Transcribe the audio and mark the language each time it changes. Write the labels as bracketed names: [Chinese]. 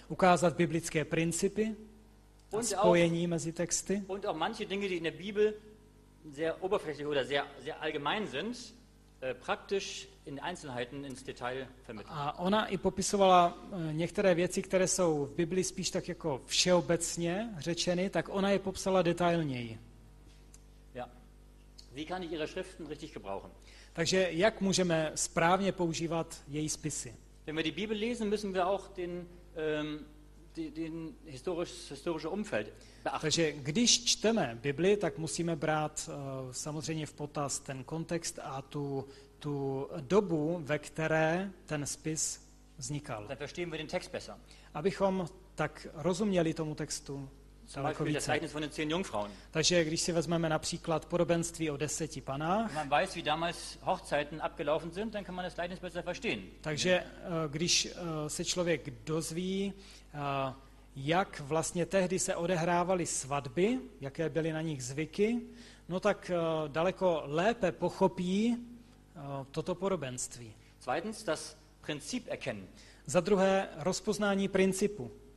[Czech] Ukázat biblické principy. [German] Und [Czech] spojení auch, mezi texty. [German] Und auch manche Dinge, die in der Bibel sehr oberflächlich oder sehr allgemein sind, praktisch in Einzelheiten ins Detail vermittelt. [Czech] A ona i popisovala některé věci, které jsou v Biblii spíš tak jako všeobecně řečeny, tak ona je popsala detailněji. [German] Ja. Wie kann ich ihre Schriften richtig gebrauchen? [Czech] Takže jak můžeme správně používat její spisy? [German] Wenn wir die Bibel lesen, müssen wir auch den den historische Umfeld beachten. [Czech] Takže když čteme Bibli, tak musíme brát samozřejmě v potaz ten kontext a tu dobu, ve které ten spis vznikal. [German] Dann verstehen wir den Text besser. [Czech] Abychom tak rozuměli tomu textu daleko více. [German] Das Gleichnis von den 10 Jungfrauen. [Czech] Takže když si vezmeme například podobenství o 10 panách. [German] Wenn man weiß, wie damals Hochzeiten abgelaufen sind, dann kann man das Gleichnis besser verstehen. [Czech] Takže když se člověk dozví, jak vlastně tehdy se odehrávaly svatby, jaké byly na nich zvyky, no tak daleko lépe pochopí toto podobenství. [German] Zweitens das Prinzip erkennen. [Czech] Za druhé rozpoznání principu.